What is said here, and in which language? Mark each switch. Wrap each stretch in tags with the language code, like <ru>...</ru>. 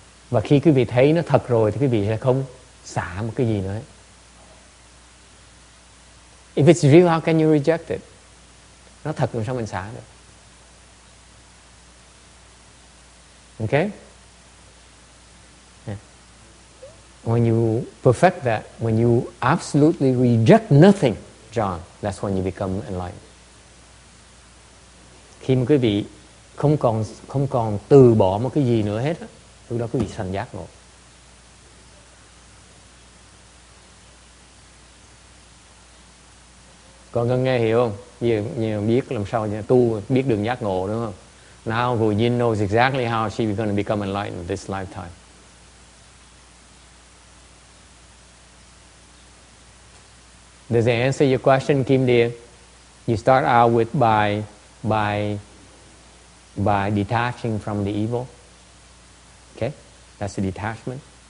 <vi>Và khi quý vị thấy nó thật rồi thì quý vị sẽ không xả một cái gì nữa.</vi> <en>If it's real, how can you reject it?</en> <vi>Nó thật làm sao mình xả được?</vi> <en>Okay. When you perfect that, when you absolutely reject nothing, John, that's when you become enlightened.</en> <vi>Khi mà quý vị không còn từ bỏ một cái gì nữa hết, lúc đó quý vị thành giác ngộ. Còn có nghe hiểu không? Giờ biết làm sao tu biết đường giác ngộ đúng không?</vi> <en>Now Vujin knows exactly how she's going to become enlightened this lifetime. Does it answer your question, Kim Dear? You start out with by detaching from the evil. Okay? That's the detachment.</en>